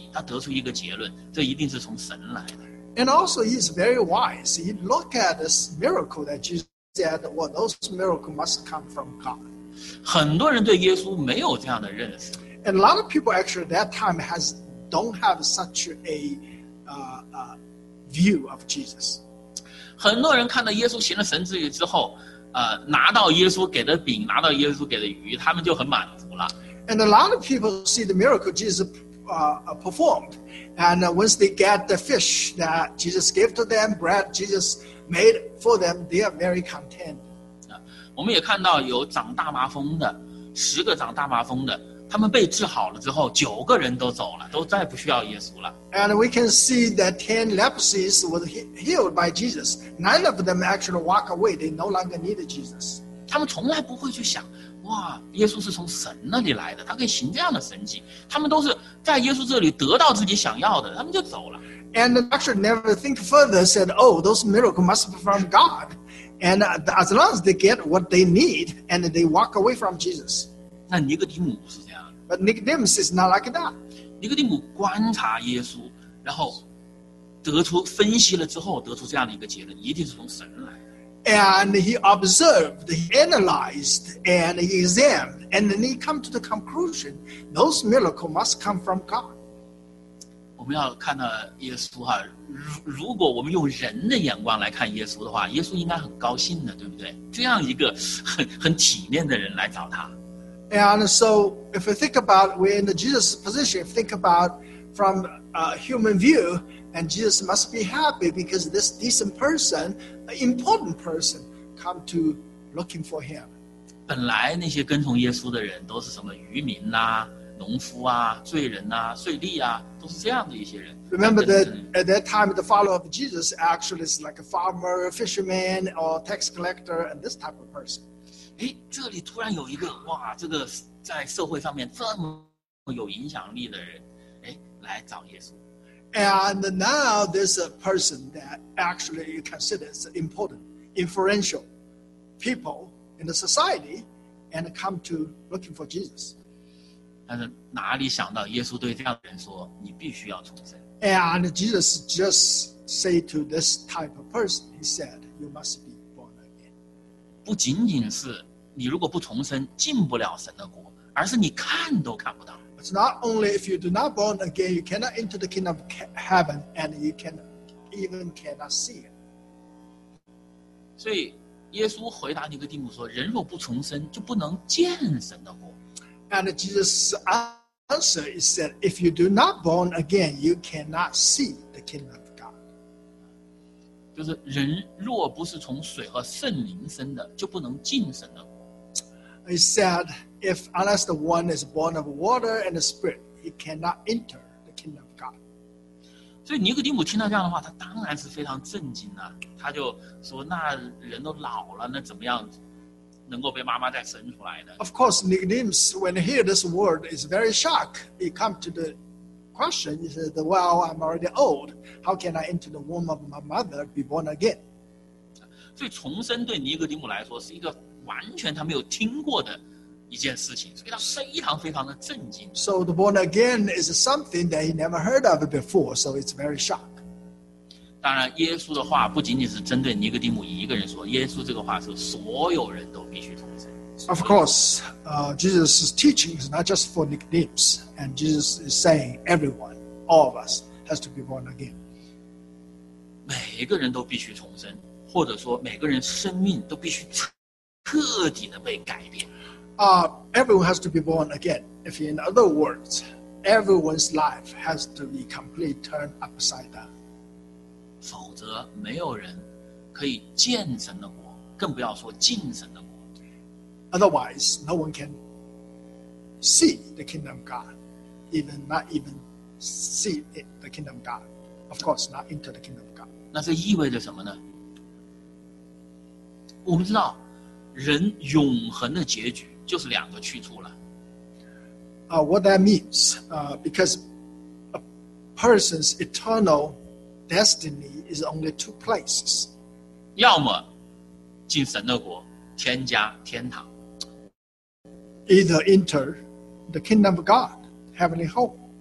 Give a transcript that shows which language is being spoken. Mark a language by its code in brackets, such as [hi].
[zh] 而且他也很有智慧，就是人的智慧。他看耶稣所行的这些神迹，他得出一个结论：这一定是从神来的。 [en] And also he is very wise. He look at this miracle that Jesus said, well, those miracles must come from God. [zh] 很多人对耶稣没有这样的认识。 [en] And a lot of people actually at that time don't have such a view of Jesus. [zh] 很多人看到耶稣行了神迹之后, 拿到耶稣给的饼, 拿到耶稣给的鱼, 他们就很满足了。 [en] And a lot of people see the miracle Jesus performed. And once they get the fish that Jesus gave to them, bread Jesus made for them, they are very content. [zh] 我们也看到有长大麻风的，十个长大麻风的，他们被治好了之后，九个人都走了，都再不需要耶稣了。 [en] And we can see that 10 leprosies were healed by Jesus. 9 of them actually walk away. They no longer need Jesus. [zh] 他们从来不会去想，哇，耶稣是从神那里来的，他可以行这样的神迹。他们都是在耶稣这里得到自己想要的，他们就走了。 [en] And the doctor never think further, said, oh, those miracles must be from God. And as long as they get what they need, and they walk away from Jesus. [zh] 那尼哥底母不是这样的。 [en] But Nicodemus is not like that. [zh] 尼哥底母观察耶稣，然后得出分析了之后，得出这样的一个结论，一定是从神来的。 [en] And he observed, he analyzed, and he examined, and then he come to the conclusion, those miracles must come from God. [zh] 我们要看到耶稣哈，如果我们用人的眼光来看耶稣的话，耶稣应该很高兴的，对不对？这样一个很体面的人来找他。 [en] And so, if we think about we're in Jesus' position, think about from a human view, and Jesus must be happy because this decent person, an important person, come to looking for him. [zh] 本来那些跟从耶稣的人都是什么渔民呐、啊、农夫啊、罪人呐、啊、税吏啊，都是这样的一些人。 [en] Remember that at that time, the follower of Jesus actually is like a farmer, fisherman, or tax collector, and this type of person. [zh] 哎，这里突然有一个哇，这个在社会上面这么有影响力的人，哎，来找耶稣。 [en] And now there's a person that actually you consider is important, influential people in the society, and come to looking for Jesus. [zh] 但是哪里想到耶稣对这样的人说，你必须要重生。 [en] And Jesus just say to this type of person, he said, you must be born again. [zh] 不仅仅是你如果不重生，进不了神的国，而是你看都看不到。 [en] It's not only if you do not born again, you cannot enter the kingdom of heaven, and you can even cannot see it. [zh] 所以，耶稣回答尼哥底母说：“人若不重生，就不能见神的国。” [en] And Jesus' answer is said, "If you do not born again, you cannot see the kingdom of God." [zh] 就是人若不是从水和圣灵生的，就不能进神的国。 [en] He said, if unless the one is born of water and the spirit, he cannot enter the kingdom of God. [zh] 所以尼哥底母听到这样的话，他当然是非常震惊的。他就说，那人都老了，那怎么样能够被妈妈再生出来呢？ [en] Of course, Nicodemus, when he hears this word, is very shocked. He comes to the question, he says, well, I'm already old. How can I enter the womb of my mother, be born again? [zh] 所以重生对尼哥底母来说是一个完全他没有听过的一件事情，所以他非常非常的震惊。 [en] So the born again is something that he never heard of before, so it's very shock. [zh] 当然，耶稣的话不仅仅是针对尼哥底母一个人说，耶稣这个话是所有人都必须重生。 [en] Of course, Jesus' teaching is not just for Nicodemus, and Jesus is saying everyone, all of us, has to be born again. [zh] 每个人都必须重生，或者说每个人生命都必须彻底的被改变。 [en] Everyone has to be born again. If in other words, everyone's life has to be completely turned upside down. [zh] 否则没有人可以见神的国，更不要说进神的国。 [en] Otherwise, no one can see the kingdom of God, not even see it, the kingdom of God. Of course, not into the kingdom of God. [zh] 那这意味着什么呢？我们知道人永恒的结局就是两个去处了。 [en] What that means, because a person's eternal destiny is only two places. [zh] 要么进神的国，天家天堂。 Either enter the kingdom of God, heavenly home.